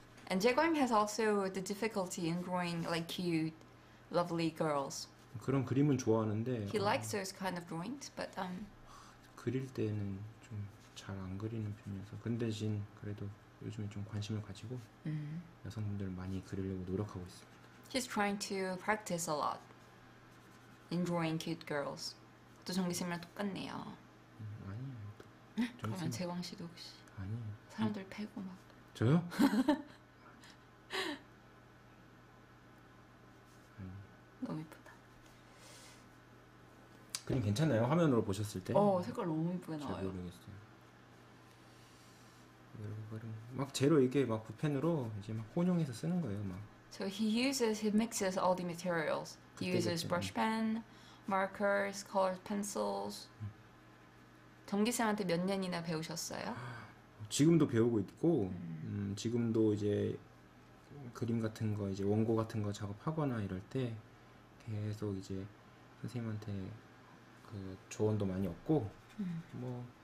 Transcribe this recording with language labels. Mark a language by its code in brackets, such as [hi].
[en] And Jaegwon has also the difficulty in drawing like cute, lovely girls. [ko] 그런 그림은 좋아하는데. [en] He likes those kind of drawings, but [ko] 그릴 때는 좀 잘 안 그리는 편이어서. 근 대신 그래도 요즘에 좀 관심을 가지고 여성분들 많이 그리려고 노력하고 있습니다. [en] He's trying to practice a lot in drawing cute girls. [ko] 또 정기 쌤이랑 똑같네요. 아니에요. 그러면 재광 씨도 혹시? 아니에요. 사람들 패고 막. 저요? 너무 예쁘다. 그림 괜찮아요? 화면으로 보셨을 때? 색깔 너무 예쁘게 나와요. 잘 모르겠어요. 막 제로 이게 막 붓펜으로 이제 막 혼용해서 쓰는 거예요, 막. [en] So he uses, he mixes all the materials. He uses brush pen, markers, colored pencils. [ko] 정기쌤한테 몇 년이나 배우셨어요? 지금도 배우고 있고, 지금도 이제 그림 같은 거, 이제 원고 같은 거 작업하거나 이럴 때 계속 이제 선생님한테 그 조언도 많이 얻고, 뭐.